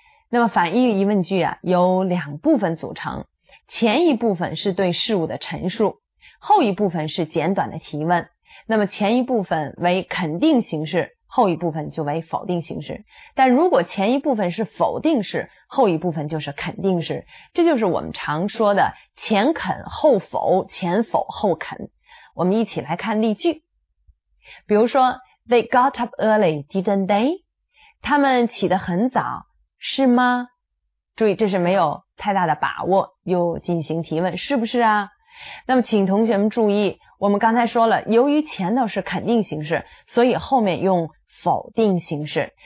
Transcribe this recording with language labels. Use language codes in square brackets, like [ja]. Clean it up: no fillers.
[zh] 那么反义疑问句啊由两部分组成，前一部分是对事物的陈述，后一部分是简短的提问。那么前一部分为肯定形式，后一部分就为否定形式。但如果前一部分是否定式，后一部分就是肯定式。这就是我们常说的前肯后否，前否后肯。我们一起来看例句。比如说 [en] They got up early, didn't they? [zh] 他们起得很早，是吗？注意这是没有太大的把握又进行提问，是不是啊？那么请同学们注意，我们刚才说了，由于前头是肯定形式，所以后面用否定形式。